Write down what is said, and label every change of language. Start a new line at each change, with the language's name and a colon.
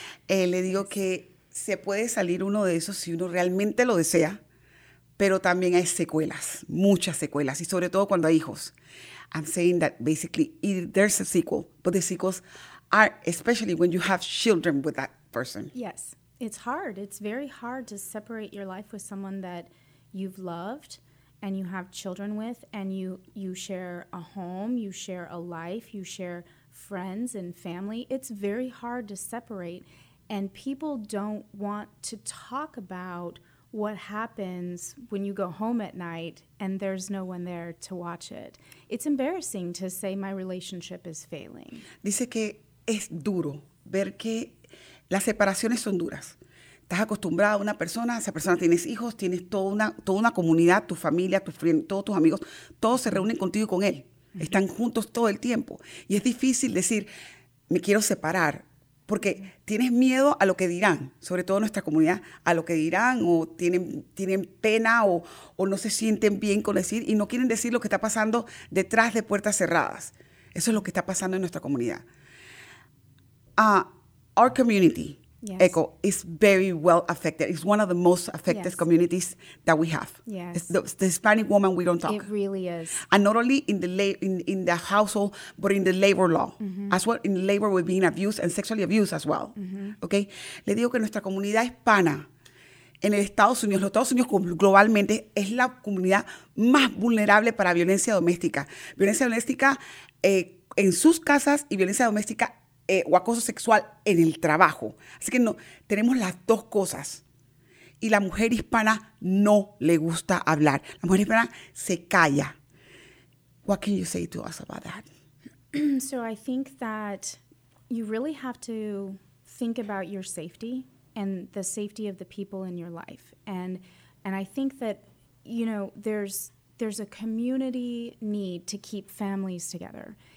Spanish: Le digo que se puede salir uno de esos si uno realmente lo desea, pero también hay secuelas, muchas secuelas, y sobre todo cuando hay hijos.
English: I'm saying that basically there's a sequel, but the sequels are especially when you have children with that person. Yes, it's hard. It's very hard to separate your life with someone that you've loved and you have children with, and you share a home, you share a life, you share friends and family. It's very hard to separate, and people don't want to talk about what happens when you go home at night and there's no one there to watch it. It's embarrassing to say my relationship is failing.
Spanish: Dice que es duro ver que las separaciones son duras. Estás acostumbrada a una persona, esa persona tienes hijos, tienes toda una comunidad, tu familia, tu friend, todos tus amigos, todos se reúnen contigo y con él. Mm-hmm. Están juntos todo el tiempo. Y es difícil decir, me quiero separar. Porque tienes miedo a lo que dirán, sobre todo nuestra comunidad, a lo que dirán, o tienen pena, o no se sienten bien con decir, y no quieren decir lo que está pasando detrás de puertas cerradas. Eso es lo que está pasando en nuestra comunidad.
English: Our community, yes, Echo, is very well affected. It's one of the most affected, yes, communities that we have. Yes. It's the Hispanic woman we don't talk. It really is. And not only in the household, but in the labor law. Mm-hmm. As well, in labor with being abused and sexually abused as well. Mm-hmm. Okay?
Spanish: Le digo que nuestra comunidad hispana en los Estados Unidos globalmente, es la comunidad más vulnerable para violencia doméstica. Violencia doméstica en sus casas y violencia doméstica o acoso sexual en el trabajo. Así que no, tenemos las dos cosas. Y la mujer hispana no le gusta hablar. La mujer hispana se calla.
English: What can you say to us about that? So I think that you really have to think about your safety and the safety of the people in your life. And I think that, you know, there's a community need to keep families together.